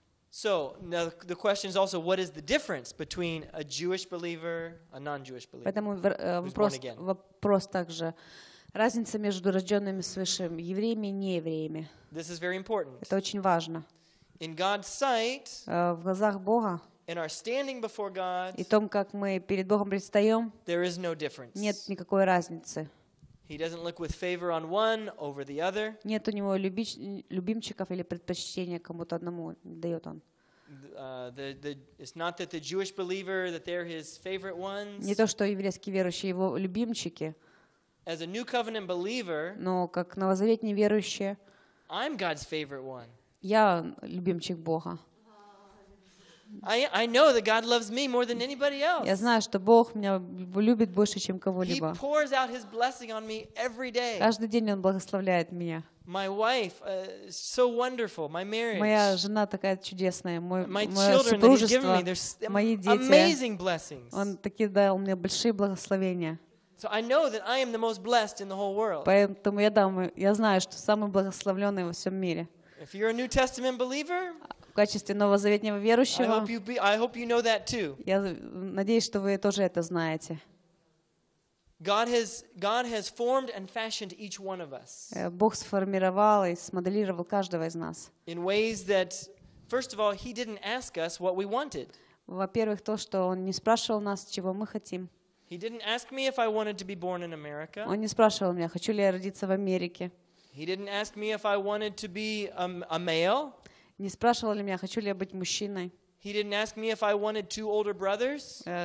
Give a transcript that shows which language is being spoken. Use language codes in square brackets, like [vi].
[en] So now the question is also, what is the difference between a Jewish believer, a non-Jewish believer? [ru] Поэтому вопрос также разница между рожденными свыше евреями и неевреями. [en] This is very important. [ru] Это очень важно. [en] In God's sight, [ru] в глазах Бога, [en] in our standing before God, [ru] и том, как мы перед Богом предстаем, [en] there is no difference. [ru] Нет никакой разницы. [en] He doesn't look with favor on one over the other. [ru] Нет у него любимчиков или предпочтения кому-то одному дает он. [en] It's not that the Jewish believer that they're his favorite ones. [ru] Не то что еврейские верующие его любимчики. [en] As a new covenant believer. [ru] Но как новозаветные верующие. [en] I'm God's favorite one. [ru] Я любимчик Бога. [en] I know that God loves me more than anybody else. [ru] Я знаю, что Бог меня любит больше, чем кого-либо. [en] He pours out his blessing on me every day. [ru] Каждый день он благословляет меня. [en] My wife, so wonderful. My marriage. [ru] Моя жена такая чудесная. Мое супружество. Мои дети. [en] Amazing blessings. [ru] Он такие дал мне большие благословения. [en] So I know that I am the most blessed in the whole world. [ru] Поэтому я знаю, что самый благословленный во всем мире. [en] If you're a New Testament believer. [ru] В качестве новозаветнего верующего. [en] I hope you know that too. [ru] Я надеюсь, что вы тоже это знаете. [en] God has formed and fashioned each one of us. [ru] Бог сформировал и смоделировал каждого из нас. [en] In ways that, first of all, He didn't ask us what we wanted. [ru] Во-первых, то, что Он не спрашивал нас, чего мы хотим. [en] He didn't ask me if I wanted to be born in America. [ru] Он не спрашивал меня, хочу ли я родиться в Америке. [en] He didn't ask me if I wanted to be a male. [ru] Не спрашивал ли меня, хочу ли я быть мужчиной. [en] He didn't ask me if I wanted two older brothers.